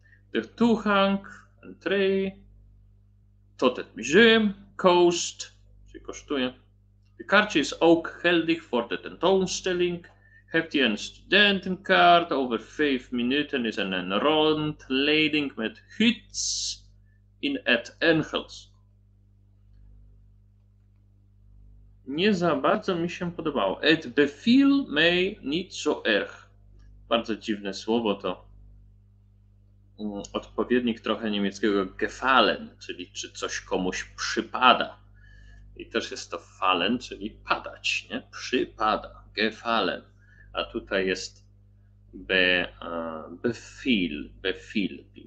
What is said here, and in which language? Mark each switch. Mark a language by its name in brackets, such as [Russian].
[Dutch] De toegang, entree, tot het museum, kost, [Polish] czy kosztuje. [Dutch] De kaartje is ook geldig voor de tentoonstelling. Hebt je een studentenkaart, over 5 minuten is er een rondleiding met huts in het Engels. [Polish] Nie za bardzo mi się podobało. [Dutch] Het beviel mij niet zo erg. [Polish] Bardzo dziwne słowo to. Odpowiednik trochę niemieckiego gefallen, czyli czy coś komuś przypada. I też jest to fallen, czyli padać, nie? Przypada, gefallen. A tutaj jest befiel, befiel.